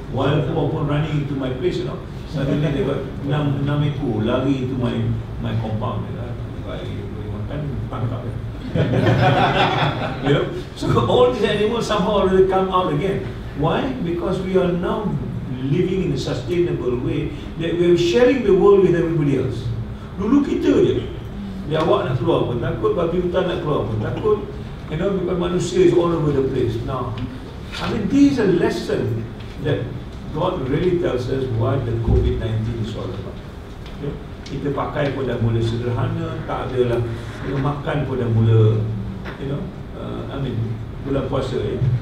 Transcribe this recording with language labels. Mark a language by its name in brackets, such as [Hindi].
[English] Wild boar pun running into my place, you know. Suddenly they got 6 [Malay] ekor lari [English] into my compound. You know? So all these animals somehow already come out again. Why? Because we are now living in a sustainable way that we are sharing the world with everybody else. [Malay] Dulu kita je. Biawak nak keluar pun takut, babi hutan nak keluar pun takut. [English] You know, because manusia is all over the place. Now, I mean, this is a lesson that God really tells us what the COVID-19 is all about. [Malay] Kita pakai pun dah mula sederhana, tak adalah. Kita makan pun dah mula, [English] you know, I mean, [Malay] bulan puasa, eh?